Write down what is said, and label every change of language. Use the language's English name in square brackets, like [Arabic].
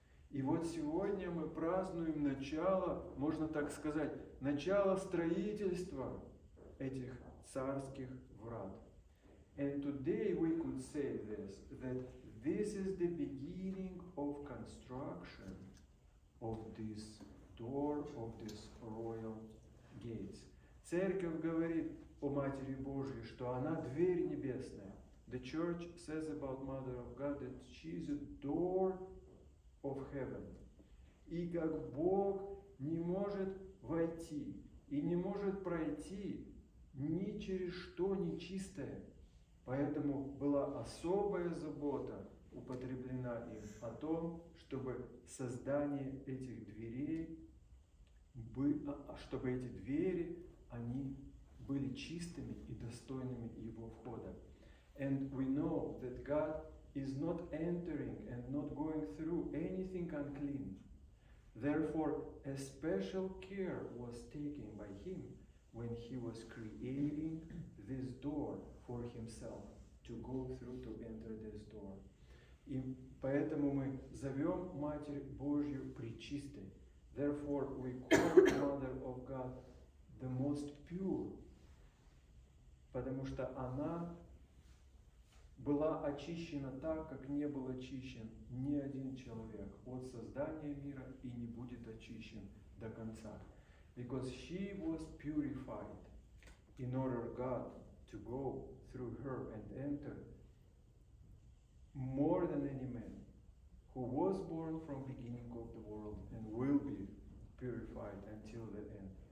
[Russian] И вот сегодня мы празднуем начало, можно так сказать, начало строительства этих царских врат. [English] And today we could say this, that this is the beginning of construction of this door, of this royal gates. [Russian] Церковь говорит о Матери Божьей, что она дверь небесная. [English] The church says about Mother of God that she is a door of heaven. [Russian] И как Бог не может войти и не может пройти ни через что нечистое, поэтому была особая забота употреблена им о том, чтобы создание этих дверей, чтобы эти двери, они были чистыми и достойными его входа. [English] And we know that God is not entering and not going through anything unclean. Therefore, a special care was taken by him when he was creating this door for himself to go through, to enter this door. [Russian] И поэтому мы зовем Матерь Божью Пречистой. [English] Therefore, we call Mother of God the most pure. [Russian] Потому что она была очищена так, как не был очищен ни один человек от создания мира и не будет очищен до конца. [English] Because she was purified in order God to go through her and enter more than any man who was born from the beginning of the world and will be purified until the end.